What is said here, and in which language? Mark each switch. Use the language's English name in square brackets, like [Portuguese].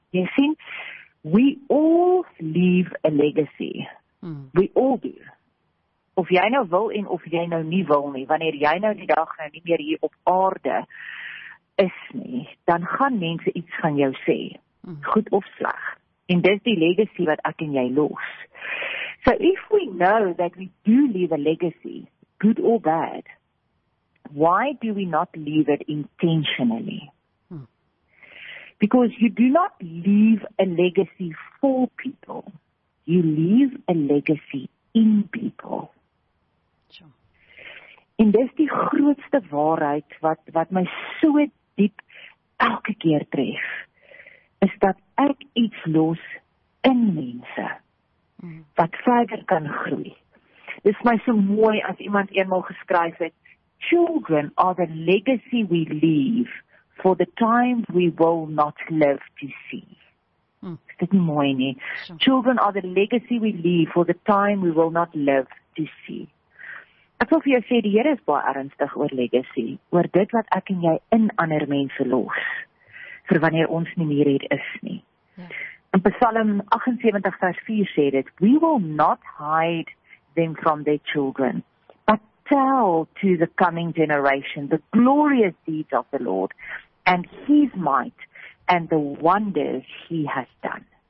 [Afrikaans] Jy sien, [English] we all leave a legacy. We all do. [Afrikaans] Of jy nou wil en of jy nou nie wil nie, wanneer jy nou die dag nou nie meer hier op aarde is nie, dan gaan mense iets van jou sê, goed of sleg. En dis die legacy wat ek en jy los. [English] So if we know that we do leave a legacy, good or bad, why do we not leave it intentionally? Because you do not leave a legacy for people. You leave a legacy in people. [Afrikaans] En dis die grootste waarheid wat my so diep elke keer tref, is dat ek iets los in mense wat verder kan groei. Dis my so mooi as iemand eenmaal geskryf het, [English] children are the legacy we leave for the time we will not live to see. [Afrikaans] Is dit nie mooi nie? [English] Children are the legacy we leave for the time we will not live to see. [Afrikaans] Ek wil vir jou sê, die Here is baie ernstig oor legacy, oor dit wat ek en jy in ander mense los, vir wanneer ons nie meer hier is nie. In Psalm 78 vers 4 sê dit, [English] we will not hide them from their children, but tell to the coming generation the glorious deeds of the Lord and his might and the wonders he has done.